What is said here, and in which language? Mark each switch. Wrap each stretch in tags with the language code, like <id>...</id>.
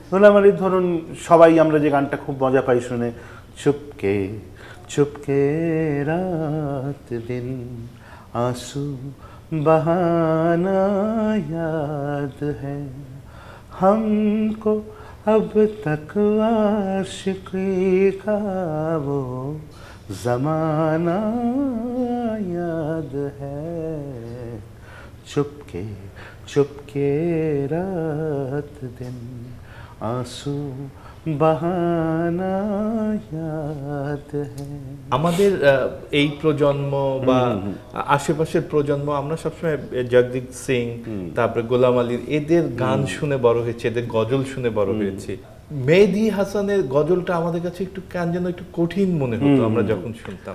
<bn>গোলাম আলীর ধরুন সবাই আমরা যে গানটা খুব মজা পাই শুনে,</bn> <hi>চুপকে চুপকে রাত দিন আঁসু বাহানা ইয়াদ হ্যায় হমকো আব তক আশিকি কা ওয়ো जमाना याद है चुपके चुपके रात दिन आंसू बहाना याद है।</hi> <bn>আমাদের এই প্রজন্ম বা আশেপাশের প্রজন্ম আমরা সবসময় জগদীপ সিং তারপরে গোলাম আলীর এদের গান শুনে বড় হয়েছে, এদের গজল শুনে বড় হয়েছে। মেহেদি হাসানের গজলটা আমাদের কাছে একটু কেন যেন একটু কঠিন মনে হতো আমরা যখন শুনতাম,</bn>